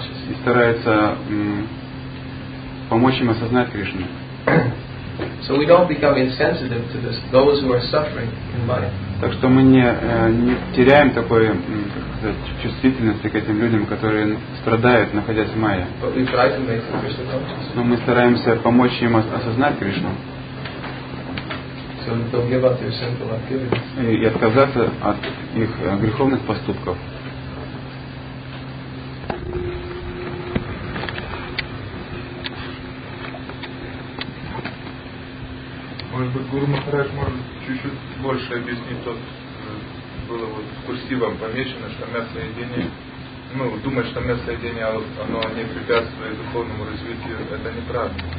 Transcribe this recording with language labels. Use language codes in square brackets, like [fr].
[ru] И стараются помочь им осознать Кришну. [en] So we don't become insensitive to this, those who are suffering in майя. [ru] Так что мы не теряем такой, как сказать, чувствительности к этим людям, которые страдают, находясь в майе. [en] But we try to make them Krishna conscious. [ru] Но мы стараемся помочь им осознать Кришну. [en] So they'll give up their sinful activities. [ru] И отказаться от их греховных поступков. Может быть, Гуру Махарадж может чуть-чуть больше объяснить, тот было вот в курсивом помечено, что мясоедение, ну, думать, что мясоедение, оно не препятствует духовному развитию, это неправда.